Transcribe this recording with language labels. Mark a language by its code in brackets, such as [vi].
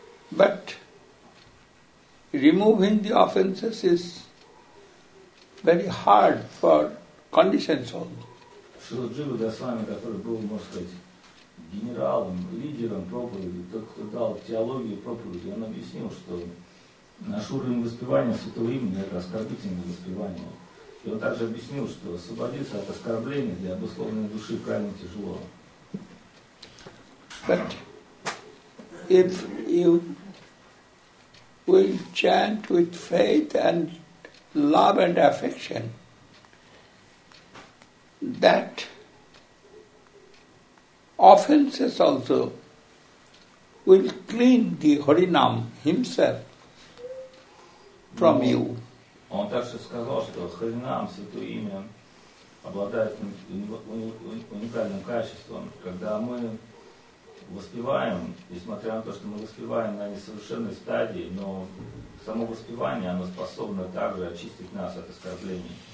[en] But removing the offenses is very hard for conditioned souls. [ru] Шрила Джива Госвами, который был, можно сказать, генералом, лидером проповеди, тот, кто дал теологию проповеди, он объяснил, что наш уровень воспевания Святого Имени – это оскорбительное воспевание. И он также объяснил, что освободиться от оскорблений для обусловленной души крайне тяжело. [en] But if you will chant with faith and love and affection, that offenses also will clean the Harinam himself from you. [ru] Он также сказал, что Харинам, Святое Имя, обладает уникальным качеством. Когда мы воспеваем, несмотря на то, что мы воспеваем на несовершенной стадии, но само воспевание, оно способно также очистить нас от оскорблений.